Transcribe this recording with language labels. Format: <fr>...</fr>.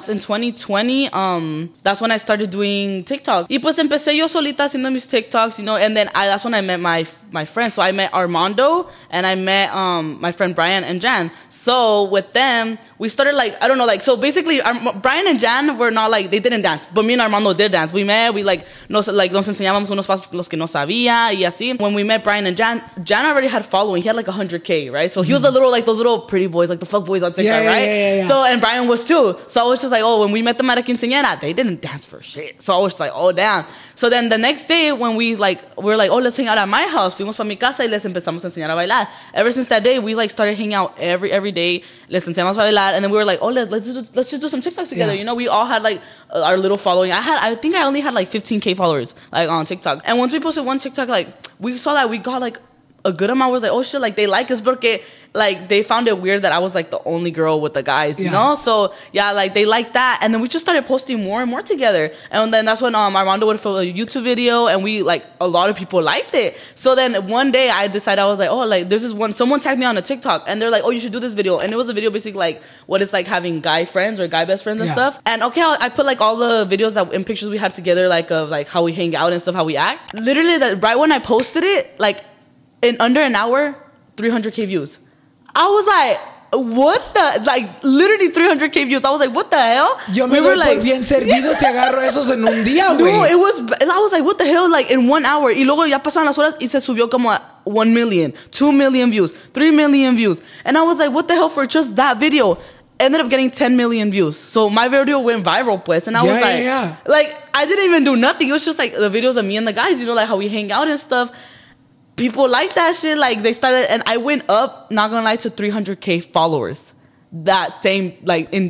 <en>So in 2020, that's when I started doing TikTok.</en> <es>Y pues empecé yo solita haciendo mis TikToks,</es> <en>you know? And then that's when I met my friend. So I met Armando, and I met my friend Brian and Jan. So with them, we started, like, I don't know, like, so basically, Brian and Jan were not, like, they didn't dance, but me and Armando did dance. We met, we, like,</en> <es>nos enseñábamos unos pasos los que no sabía, y así.</es> <en>When we met Brian and Jan already had following. He had, like, 100K, right? So he was a little, like, those little pretty boys, like, the fuck boys on TikTok, yeah, right? Yeah. So, and Brian was, too. So I was just like, oh, when we met them at a quinceañera, they didn't dance for shit. So I was just like, oh, damn. So then the next day, when we're like, oh, let's hang out at my house.</en> <es>Fuimos para mi casa y les empezamos a enseñar a bailar.</es> <en>Ever since that day, we like started hanging out every day.</en> <es>Les enseñamos a bailar,</es> <en>and then we were like, oh, let's just do some TikToks together. Yeah. You know, we all had like our little following. I think I only had like 15K followers like on TikTok. And once we posted one TikTok, like we saw that we got like a good amount. We was like, oh shit, like they like us, porque like they found it weird that I was like the only girl with the guys, you know? So yeah, like they liked that, and then we just started posting more and more together. And then that's when Armando would film a YouTube video, and we like a lot of people liked it. So then one day I decided, I was like, oh, like there's this one, someone tagged me on a TikTok, and they're like, oh, you should do this video. And it was a video basically like what it's like having guy friends or guy best friends and stuff. And okay, I put like all the videos that in pictures we had together, like of like how we hang out and stuff, how we act. Literally that right when I posted it, like in under an hour, 300K views. I was like, what the, like literally 300K views. I was like, what the hell?</en> <es>Yo me voy like, por bien servido si agarro esos en un día, güey.</es> <en>No, it was, I was like, what the hell? Like in 1 hour.</en> <es>Y luego ya pasaron las horas y se subió como a 1 million, 2 million views, 3 million views.</es> <en>And I was like, what the hell for just that video? Ended up getting 10 million views. So my video went viral, pues. And I was like, like, I didn't even do nothing. It was just like the videos of me and the guys, you know, like how we hang out and stuff. People like that shit, like they started, and I went up, not gonna lie, to 300K followers that same, like in</en>